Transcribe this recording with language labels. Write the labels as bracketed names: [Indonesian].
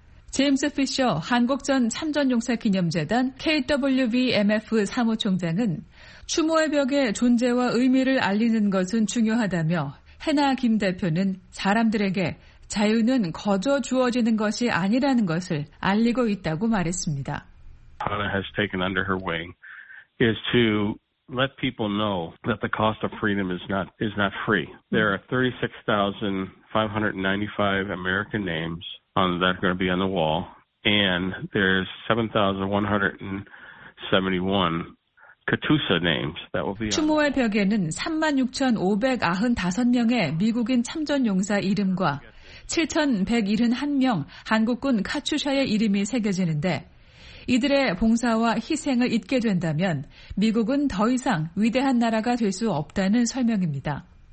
[Korean] 제임스 피셔 한국전 참전용사 기념재단 KWVMF 사무총장은 추모의 벽의 존재와 의미를 알리는 것은 중요하다며 해나 김 대표는 사람들에게 자유는 거저 주어지는 것이 아니라는 것을 알리고 있다고 말했습니다. [English] Hannah has taken under her wing is to let people know that the cost of freedom is not free. There are 36,595 American names that are going to be on the wall, and there's 7,171 Katusa names that will be. [Korean] 추모의 벽에는 36,595명의 미국인 참전용사 이름과 7,171명 한국군 카투샤의 이름이 새겨지는데 이들의 봉사와 희생을 잊게 된다면 미국은 더 이상 위대한 나라가 될 수 없다는 설명입니다.